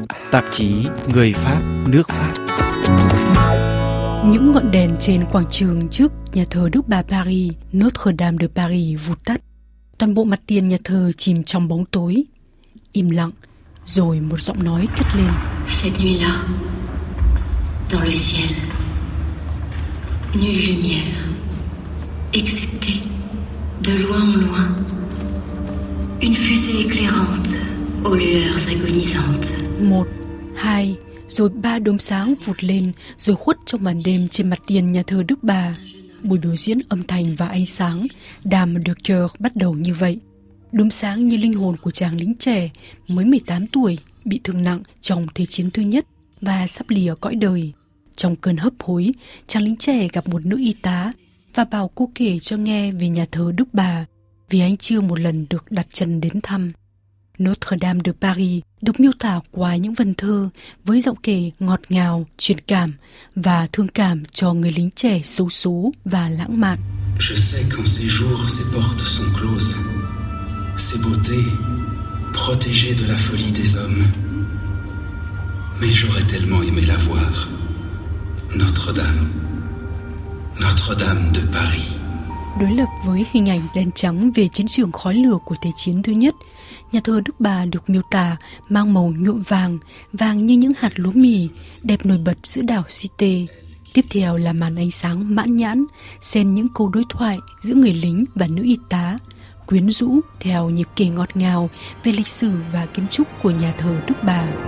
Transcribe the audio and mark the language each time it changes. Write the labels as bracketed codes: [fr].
[vi] Tạp chí Người Pháp Nước Pháp. Những ngọn đèn trên quảng trường trước Nhà thờ Đức Bà Paris, Notre Dame de Paris vụt tắt. Toàn bộ mặt tiền nhà thờ chìm trong bóng tối. Im lặng, rồi một giọng nói cất lên. [fr] Cette nuit-là, dans le ciel, nulle lumière, excepté de loin en loin, une fusée éclairante aux lueurs agonisantes. [vi] Một, hai, rồi ba đốm sáng vụt lên, rồi khuất trong màn đêm trên mặt tiền nhà thờ Đức Bà. Buổi biểu diễn âm thanh và ánh sáng, Dame de Coeur bắt đầu như vậy. Đốm sáng như linh hồn của chàng lính trẻ, mới 18 tuổi, bị thương nặng trong Thế chiến thứ nhất và sắp lìa cõi đời. Trong cơn hấp hối, chàng lính trẻ gặp một nữ y tá và bảo cô kể cho nghe về nhà thờ Đức Bà, vì anh chưa một lần được đặt chân đến thăm. Notre Dame de Paris được miêu tả qua những vần thơ với giọng kể ngọt ngào, truyền cảm và thương cảm cho người lính trẻ xấu số và lãng mạn. [fr] Je sais quand ces jours ces portes sont closes, ces beautés protégées de la folie des hommes. Mais j'aurais tellement aimé la voir, Notre Dame, Notre Dame de Paris. [vi] Đối lập với hình ảnh đen trắng về chiến trường khói lửa của Thế chiến thứ nhất, nhà thờ Đức Bà được miêu tả mang màu nhuộm vàng, vàng như những hạt lúa mì, đẹp nổi bật giữa đảo Cité. Tiếp theo là màn ánh sáng mãn nhãn, xen những câu đối thoại giữa người lính và nữ y tá, quyến rũ theo nhịp kể ngọt ngào về lịch sử và kiến trúc của nhà thờ Đức Bà.